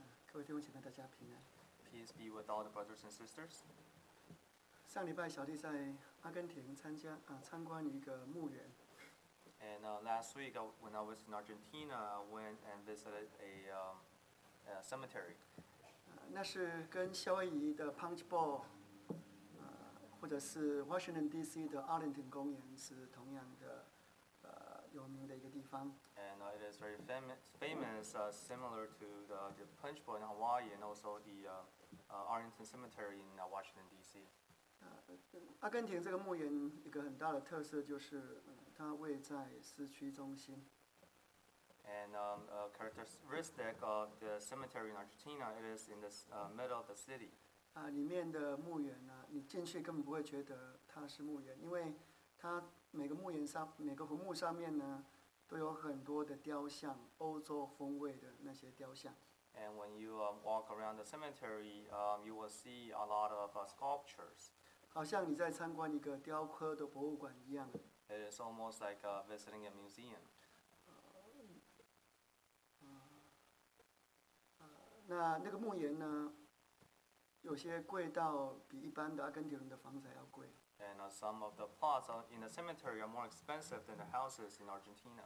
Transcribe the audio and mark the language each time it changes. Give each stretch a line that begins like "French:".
Chinese: 各位弟兄姐妹，大家平安。
English: Peace be with all the brothers and sisters。
Chinese: 上礼拜小弟在阿根廷参观一个墓园。
English: And last week, when I was in Argentina, I went and visited a cemetery.
Chinese: 那是跟夏威夷的 Punchbowl， 或者是 Washington D.C. 的 Arlington 公园是同样的。
English: And it is very famous, similar to the Punchbowl in Hawaii and also the Arlington Cemetery in Washington, D.C.
Chinese: Argentine 这个墓园一个很大的特色就是它位在市区中心。
English: And a characteristic of the cemetery in Argentina, it is in the middle of the city.
Chinese: 里面的墓园呢，你进去根本不会觉得它是墓园，因为它每个坟墓上面呢，都有很多的雕像，欧洲风味的那些雕像。
English: And when you walk around the cemetery, you will see a lot of sculptures.
Chinese: 好像你在参观一个雕刻的博物馆一样。
English: It is almost like visiting a museum.
Chinese: 那个墓园呢，有些贵到比一般的阿根廷人的房子还要贵。
English: And some of the plots in the cemetery are more expensive than the houses in Argentina.